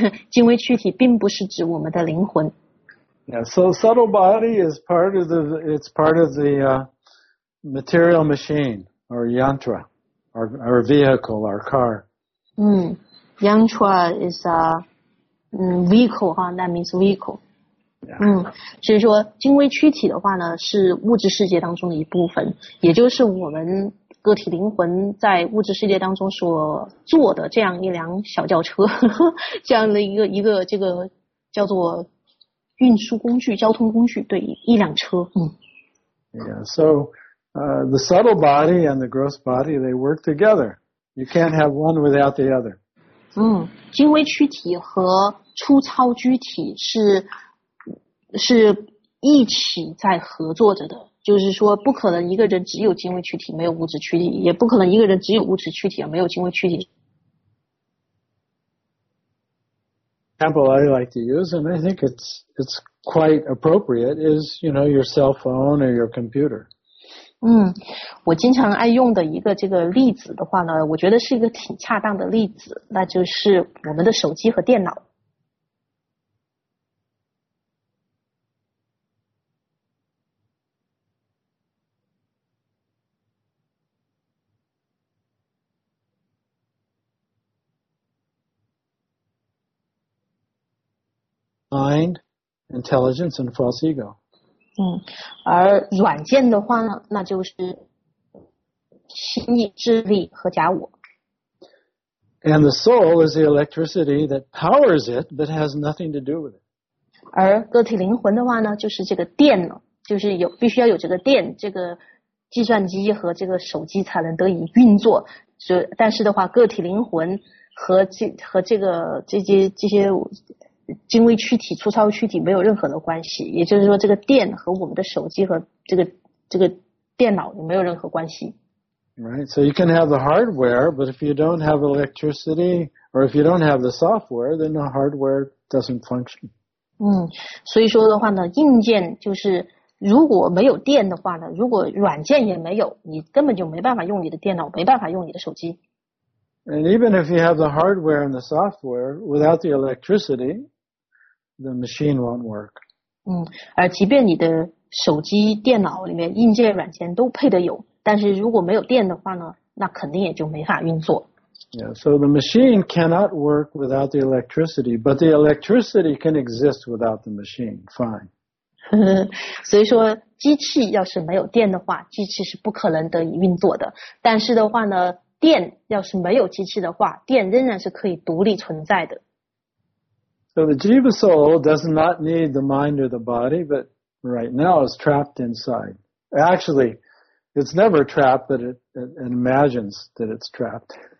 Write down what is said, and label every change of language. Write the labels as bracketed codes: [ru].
[zh] 精微躯体并不是指我们的灵魂。 [en] Yeah, so subtle body is part of the, it's part of the, material machine, or yantra, or vehicle, or car. Yantra is a vehicle, huh? That means vehicle. Yeah. [zh] 所以说精微躯体的话呢是物质世界当中的一部分，也就是我们个体灵魂在物质世界当中所坐的这样一辆小轿车，这样的一个这个叫做运输工具，交通工具，对，一辆车。 [en] Yeah, so, the subtle body and the gross body, they work together. You can't have one without the other. [zh] 精微躯体和粗糙躯体是一起在合作着的，就是说不可能一个人只有精微躯体没有物质躯体，也不可能一个人只有物质躯体而没有精微躯体。 [en] Example I like to use, and I think it's quite appropriate, is, you know, your cell phone or your computer. [zh] 我经常爱用的一个这个例子的话呢，我觉得是一个挺恰当的例子，那就是我们的手机和电脑。 [en] Mind, intelligence, and false ego. [zh] 而软件的话呢，那就是心意、智力和假我。 [en] And the soul is the electricity that powers it, but has nothing to do with it. [zh] 而个体灵魂的话呢，就是这个电了，就是有必须要有这个电，这个计算机和这个手机才能得以运作。但是的话，个体灵魂和这些。精微躯体、粗糙躯体没有任何的关系，也就是说，这个电和我们的手机和这个电脑也没有任何关系。 [en] Right, so you can have the hardware, but if you don't have electricity, or if you don't have the software, then the hardware doesn't function. [zh] 所以说的话呢，硬件就是如果没有电的话呢，如果软件也没有，你根本就没办法用你的电脑，没办法用你的手机。 [en] And even if you have the hardware and the software, without the electricity, the machine won't work. [zh] 而即便你的手机、电脑里面硬件、软件都配得有，但是如果没有电的话呢，那肯定也就没法运作。 [en] Yeah, so the machine cannot work without the electricity, but the electricity can exist without the machine, fine. [zh] 所以说机器要是没有电的话，机器是不可能得以运作的，但是的话呢，电要是没有机器的话，电仍然是可以独立存在的。 [en] So the jiva soul does not need the mind or the body, but right now is trapped inside. Actually, it's never trapped, but it imagines that it's trapped.